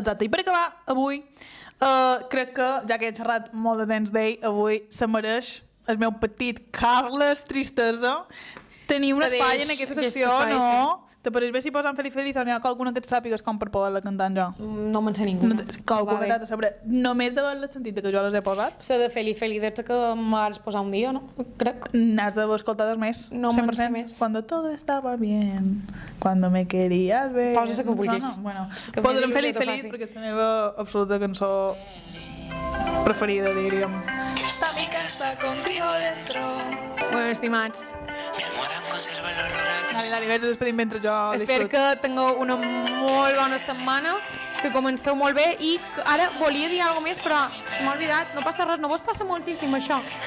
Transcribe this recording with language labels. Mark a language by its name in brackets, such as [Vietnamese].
[Catalan] Exacte, i per acabar, avui crec que, ja que he xerrat molt de Dance Day, avui se mereix el meu petit Carles Tristesa tenir un espai en aquesta secció, aquest espai, no? Sí. Te pareix bé si posen Feliz Feliz o n'hi ha alguna que et sàpigues com per poder-la cantar jo? No me'n sé ninguna. Qualcuna t'ha sabut. Només davant el sentit que jo les he posat. Sa de Feliz Feliz és que m'has posat un dia, no? Crec. N'has d'haver escoltat més. No me'n sé més. [Spanish] Cuando todo estaba bien, cuando me querías ver... [Catalan] Posa-se que vulguis. Bueno, posa-se Feliz Feliz perquè és la meva absoluta cançó preferida, diríem. [Spanish] Esta mi casa contigo dentro. Bueno, estimats. [Catalan] Dale, vés a despedir mentre jo disfruto. Espero que tingueu una molt bona setmana, que comenceu molt bé i ara volia dir alguna més, però m'ho he oblidat, no passa res, no vos passa moltíssim això.